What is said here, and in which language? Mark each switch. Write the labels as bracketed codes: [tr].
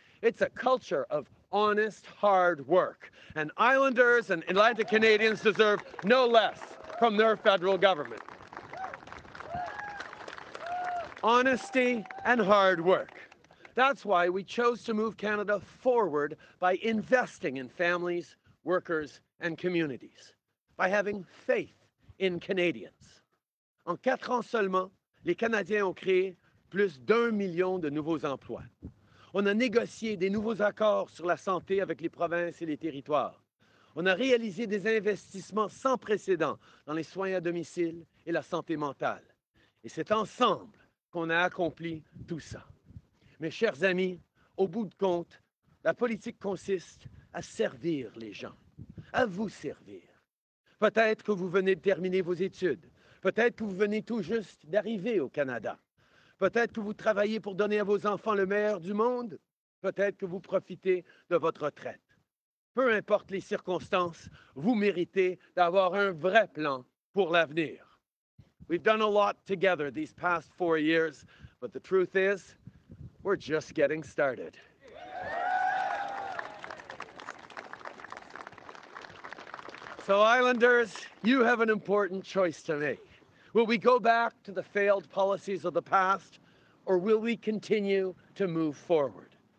[en] It's a culture of honest, hard work. And Islanders and Atlantic Canadians deserve no less from their federal government. Honesty and hard work. That's why we chose to move Canada forward by investing in families, workers, and communities. By having faith in Canadians. [fr] En quatre ans seulement, les Canadiens ont créé plus d'un million de nouveaux emplois. On a négocié des nouveaux accords sur la santé avec les provinces et les territoires. On a réalisé des investissements sans précédent dans les soins à domicile et la santé mentale. Et c'est ensemble qu'on a accompli tout ça. Mes chers amis, au bout de compte, la politique consiste à servir les gens, à vous servir. Peut-être que vous venez de terminer vos études. Peut-être que vous venez tout juste d'arriver au Canada. Peut-être que vous travaillez pour donner à vos enfants le meilleur du monde. Peut-être que vous profitez de votre retraite. Peu importe les circonstances, vous méritez d'avoir un vrai plan pour l'avenir. [en] We've done a lot together these past 4 years, but the truth is, we're just getting started. So, Islanders, you have an important choice to make. Will we go back to the failed policies of the past, or will we continue to move forward?